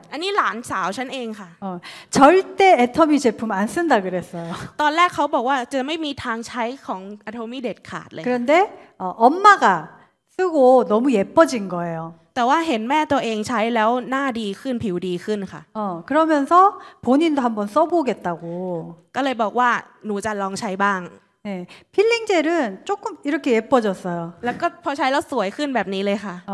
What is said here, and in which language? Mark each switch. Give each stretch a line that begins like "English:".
Thai: อันนี้หลานสาวฉันเองค่ะ
Korean: 절대애터미제품안쓴다그랬어요
Thai: ตอนแรกเขาบอกว่าจะไม่มีทางใช้ของอะโทมี่เด็ดขาดเลย
Korean: 그런데엄마가쓰고너무예뻐진거예요
Thai: แต่ว่าเห็นแม่ตัวเองใช้แล้วหน้าดีขึ้นผิวดีขึ้นค่ะ
Korean: 그러면서본인도한번써보겠다고
Thai: ก็เลยบอกว่าหนูจะลองใช้บ้าง
Korean: เนี่ยพิลลิ่งเจลน์조금이렇게예뻐졌어요
Thai: แล้วก็พอใช้แล้วสวยขึ้นแบบนี้เลยค่ะ